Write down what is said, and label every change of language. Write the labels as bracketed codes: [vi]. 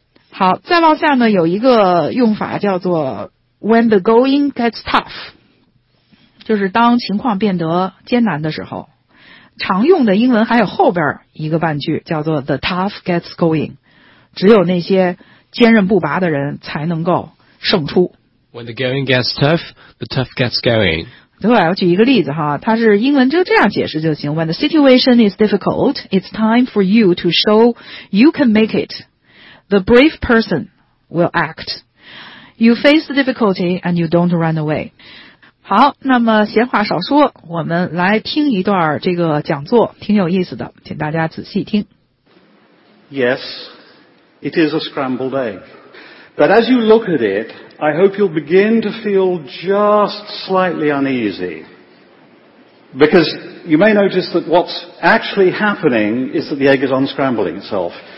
[zh] 好，再往下呢有一个用法叫做 [en] when the going gets tough， [zh] 就是当情况变得艰难的时候，常用的英文还有后边一个半句叫做 [en] the tough gets going， [zh] 只有那些坚韧不拔的人才能够胜出。 [en] When the going gets tough, the tough gets going。 [zh] 对，我举一个例子哈，它是英文就这样解释就行， [en] When the situation is difficult, it's time for you to show you can make it. The brave person will act. You face the difficulty and you don't run away。 [zh] 好，那么闲话少说，我们来听一段这个讲座，挺有意思的，请大家仔细听。 [en] Yes, it is a scrambled egg. But as you look at it, I hope you'll begin to feel just slightly uneasy. Because you may notice that what's actually happening is that the egg is unscrambling itself.